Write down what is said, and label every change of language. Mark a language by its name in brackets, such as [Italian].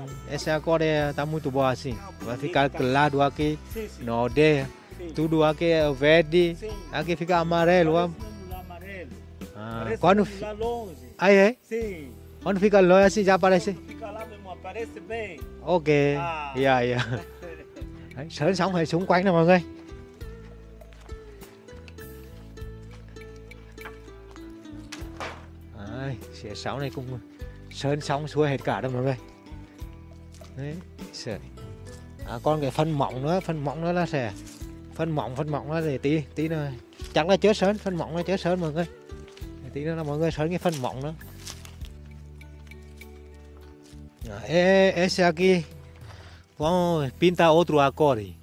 [Portuguese] Esse acorde tá muito boa assim. Vai ficar claro aqui, no de, tudo aqui é verde, aqui fica amarelo. Amarelo. Aí, é? Sim. Quando fica longe assim já aparece? Fica lá mesmo, aparece bem. [English] Ok. Ah. Yeah. [Vietnamese] Đấy, sơn sóng hay xung quanh nè mọi người. Đấy, xe sóng này cũng sơn sóng xuôi hết cả đó mọi người. Đấy, sợi. À, còn cái phần mỏng nữa là sẽ... Phần mỏng là để tí nữa. Chắc là chưa sơn, phần mỏng là chưa sơn mọi người. Để tí nữa là mọi người sơn cái phần mỏng nữa. [Portuguese] Esse aqui, vamos pintar outro acorde.